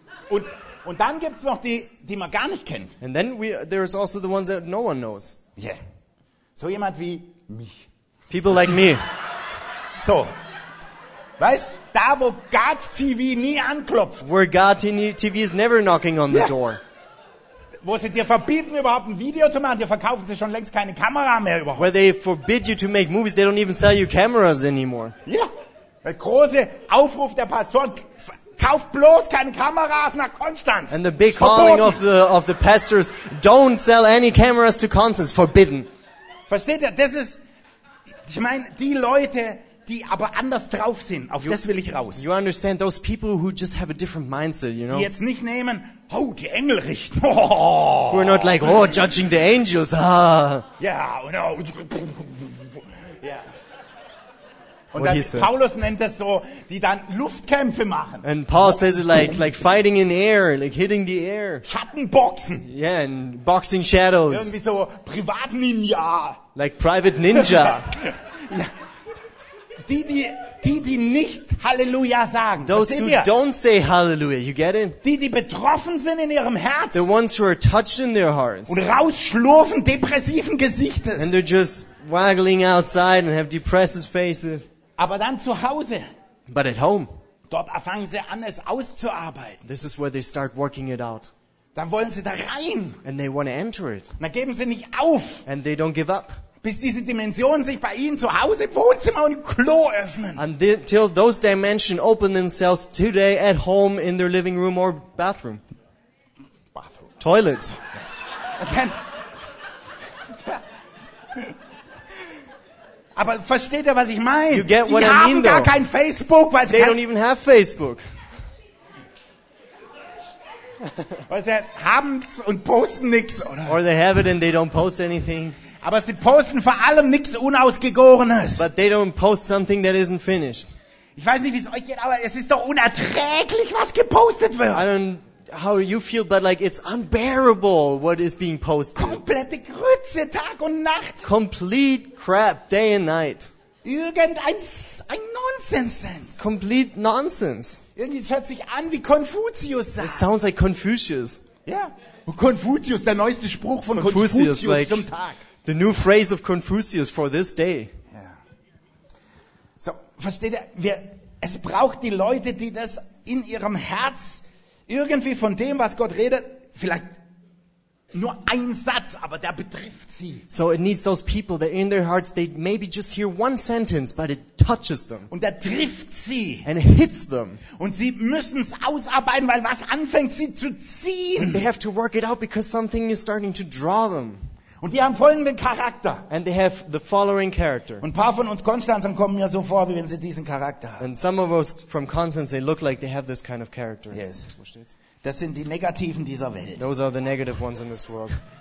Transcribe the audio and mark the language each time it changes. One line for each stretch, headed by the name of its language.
German: Und dann gibt's noch die man gar nicht kennt.
English: And then there is also the ones that no one knows. Yeah.
German: So jemand wie mich.
English: People like me.
German: So. Weißt, da wo God TV nie anklopft.
English: Where God TV is never knocking on the door.
German: Wo sie dir verbieten, überhaupt ein Video zu machen, dir verkaufen sie schon längst keine Kamera mehr überhaupt.
English: Where they forbid you to make movies, they don't even sell you cameras anymore.
German: Ja. Der große Aufruf der Pastoren, kauft bloß keine Kameras nach Konstanz.
English: And the big calling of the pastors, don't sell any cameras to Konstanz, forbidden.
German: Versteht ihr, das ist, ich meine, die Leute, die aber anders drauf sind. Das will ich raus.
English: You understand those people who just have a different mindset, you know?
German: Die jetzt nicht nehmen, oh, die Engel richten.
English: We're not like, oh, judging the angels. Ah. Yeah, no. Yeah.
German: Und dann Paulus nennt das so, die dann Luftkämpfe machen.
English: And Paul says it like fighting in air, like hitting the air.
German: Schattenboxen.
English: Yeah, and boxing shadows.
German: Irgendwie so Privatninja.
English: Like private ninja.
German: Ja. Die nicht Halleluja sagen.
English: Those who don't say Hallelujah, you get it?
German: Die betroffen sind in ihrem Herz.
English: The ones who are touched in their hearts.
German: Und rausschlurfen depressiven Gesichtes.
English: And they're just waggling outside and have depressed faces.
German: Aber dann zu Hause.
English: But at home.
German: Dort fangen sie an, es auszuarbeiten.
English: This is where they start working it out.
German: Dann wollen sie da rein.
English: And they want to enter it.
German: Und dann geben sie nicht auf.
English: And they don't give up.
German: Bis diese Dimensionen sich bei ihnen zu Hause, Wohnzimmer und Klo öffnen.
English: Until those dimensions open themselves today at home in their living room or bathroom. Bathroom. Toilet. Yes.
German: Aber versteht ihr, was ich meine?
English: You get what
German: die
English: I
German: haben
English: mean,
German: gar
English: though.
German: Kein Facebook. Weil
English: they don't even have Facebook.
German: Weil sie haben es und posten nichts, oder?
English: Or they have it and they don't post anything.
German: Aber sie posten vor allem nichts Unausgegorenes.
English: But they don't post something that isn't finished.
German: Ich weiß nicht, wie es euch geht, aber es ist doch unerträglich, was gepostet wird.
English: I don't how you feel, but like it's unbearable what is being posted.
German: Komplette Grütze, Tag und Nacht.
English: Complete crap, day and night.
German: Irgendein Nonsense.
English: Complete nonsense.
German: Irgendwie, es hört sich an wie Konfuzius.
English: It sounds like Confucius.
German: Ja,
English: yeah.
German: Konfuzius, der neueste Spruch von Konfuzius
English: like
German: zum Tag.
English: The new phrase of Confucius for this day. Yeah.
German: So, versteht ihr, es braucht die Leute, die das in ihrem Herz irgendwie von dem, was Gott redet, vielleicht nur ein Satz, aber der betrifft sie.
English: So it needs those people that in their hearts they maybe just hear one sentence, but it touches them.
German: Und der trifft sie.
English: And it hits them.
German: Und sie müssen es ausarbeiten, weil was anfängt sie zu ziehen.
English: And they have to work it out because something is starting to draw them.
German: Und die haben folgenden Charakter.
English: And they have the following character.
German: Und ein paar von uns Konstanzern kommen mir so vor, wie wenn sie diesen Charakter haben.
English: And some of us from Constance, they look like they have this kind of character. Yes.
German: Wo steht's? Das sind die Negativen dieser Welt.
English: Those are the negative ones in this world.